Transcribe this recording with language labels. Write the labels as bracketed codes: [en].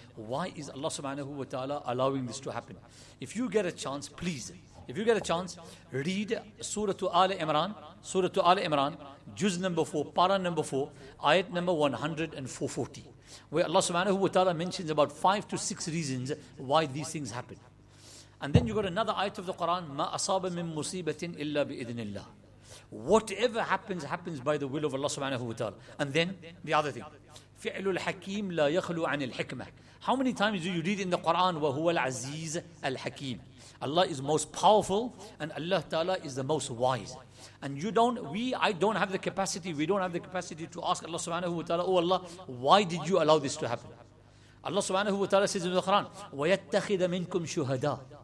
[en] Why is Allah Subhanahu Wa Ta'ala allowing this to happen? If you get a chance, please, if you get a chance, read Surah Al Imran, Juz number 4, Para number 4, Ayat number 100 and 440, where Allah Subhanahu Wa Ta'ala mentions about 5 to 6 reasons why these things happen. And then you got another ayat of the Quran, [ar] مَا أَصَابَ مِن مُصِيبَةٍ إِلَّا بِإِذْنِ اللَّهِ. [en] Whatever happens by the will of Allah subhanahu wa ta'ala. And then the other thing, [ar] فِعْلُ الْحَكِيمِ لَا يَخْلُوا عَنِ الْحِكْمَةِ. [en] How many times do you read in the Quran, [ar] وَهُوَ الْعَزِيزِ الْحَكِيمِ. [en] Allah is most powerful and Allah ta'ala is the most wise. And we don't have the capacity to ask Allah subhanahu wa ta'ala, oh Allah, why did you allow this to happen? Allah subhanahu wa ta'ala says in the Quran, [ar] وَيَتَّخِذَ مِنْكُمْ شُهَدَى.